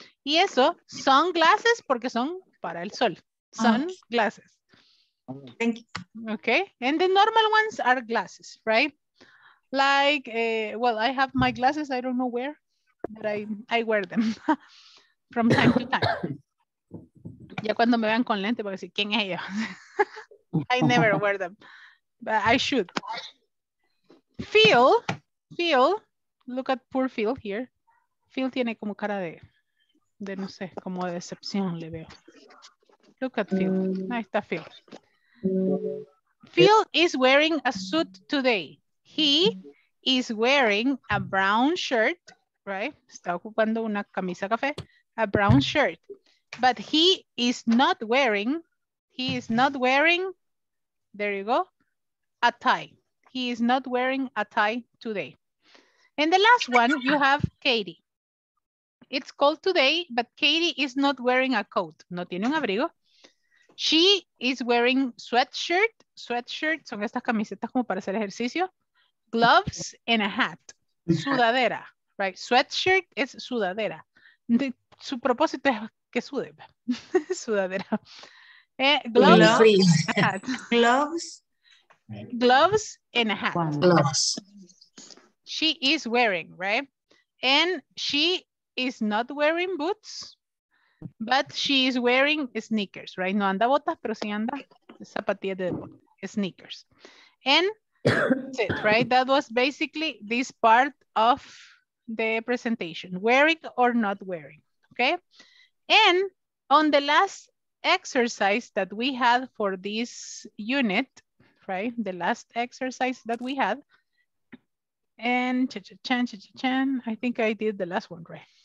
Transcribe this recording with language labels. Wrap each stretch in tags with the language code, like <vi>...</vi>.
<es>Y eso, son glasses porque son para el sol. Son glasses.</es> <en>Thank you. Okay, and the normal ones are glasses, right? Like, well, I have my glasses, I don't know where, but I wear them from time to time.</en> <es>Ya cuando me vean con lente, voy a decir, ¿quién es ella?</es> <en>I never wear them, but I should. Phil, look at poor Phil here.</en> <es>Phil tiene como cara de no sé, como de decepción le veo.</es> <en>Look at Phil.</en> <es>Ahí está Phil.</es> <en>Phil is wearing a suit today. He is wearing a brown shirt, right?</en> <es>Está ocupando una camisa café,</es> <en>a brown shirt. But he is not wearing, there you go, a tie. He is not wearing a tie today. And the last one, you have Katie. It's cold today, but Katie is not wearing a coat.</en> <es>No tiene un abrigo.</es> <en>She is wearing sweatshirt.</en> <es>Sweatshirt son estas camisetas como para hacer ejercicio.</es> <en>Gloves and a hat. Sudadera, right?</en> <es>Sweatshirt es sudadera. Su propósito es que sude. Sudadera.</es> <en>Gloves and a hat. Gloves. Gloves and a hat. Gloves. She is wearing, right? And she is not wearing boots, but she is wearing sneakers, right?</en> <es>No anda botas, pero sí anda zapatillas de deportes, sneakers.</es> <en>And that's it, right? That was basically this part of the presentation, wearing or not wearing, okay? And on the last exercise that we had for this unit, right? The last exercise that we had, and I think I did the last one, right?</en>